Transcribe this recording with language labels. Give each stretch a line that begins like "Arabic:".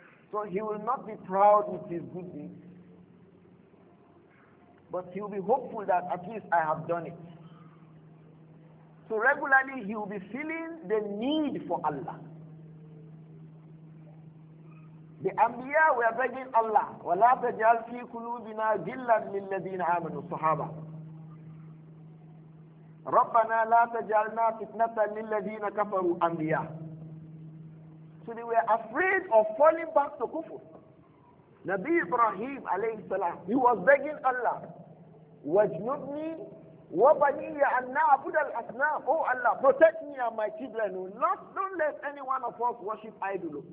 English: So he will not be proud with his good deeds, but he will be hopeful that at least I have done it. So regularly he will be feeling the need for Allah. The Anbiya were begging Allah,
Arabic: وَلَا تَجْعَلْ فِي قُلُوبِنَا غِلًّا لِلَّذِينَ آمَنُوا الصُّحَابَةَ رَبَّنَا لَا تَجْعَلْنَا فِتْنَةً لِلَّذِينَ كَفَرُوا أَنْبِيَا.
English: So they were afraid of falling back to kufr. Nabi Ibrahim alayhi salam, he was begging Allah,
Arabic: وَاجْنُبْنِي وَبَنِيَّ أَنْ نَعْبُدَ الْأَصْنَامَ.
English: Oh Allah, protect me and my children. Don't let any one of us worship idol.